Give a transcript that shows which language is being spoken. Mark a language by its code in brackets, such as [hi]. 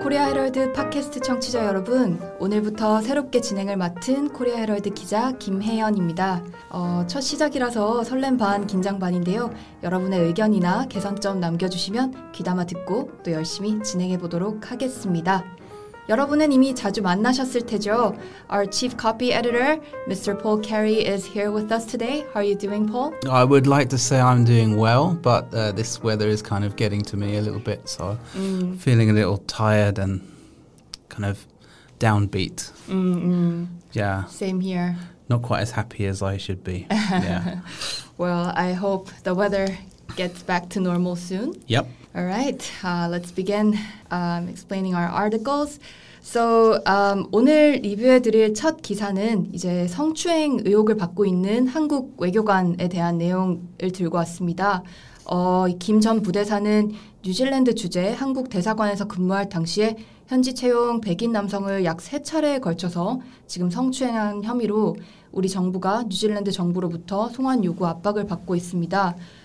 [ko] 코리아 헤럴드 팟캐스트 청취자 여러분. 오늘부터 새롭게 진행을 맡은 코리아 헤럴드 기자 김혜연입니다. 첫 시작이라서 설렘 반, 긴장 반인데요. 여러분의 의견이나 개선점 남겨주시면 귀담아 듣고 또 열심히 진행해 보도록 하겠습니다. 여러분은 이미 자주 만나셨을 테죠. [en] Our chief copy editor, Mr. Paul Carey, is here with us today. How are you doing, Paul? I would like to say I'm doing well, but this weather is kind of getting to me a little bit, so feeling a little tired and kind of downbeat. Yeah. Same here. Not quite as happy as I should be. Yeah. Well, I hope the weather gets back to normal soon. Yep. All right, let's begin explaining our articles. [ko] So, 오늘 리뷰해드릴 첫 기사는 이제 성추행 의혹을 받고 있는 한국 외교관에 대한 내용을 들고 왔습니다. 김 전 부대사는 뉴질랜드 주재 한국 대사관에서 근무할 당시에 현지 채용 백인 남성을 약 세 차례에 걸쳐서 지금 성추행한 혐의로 우리 정부가 뉴질랜드 정부로부터 송환 요구 압박을 받고 있습니다.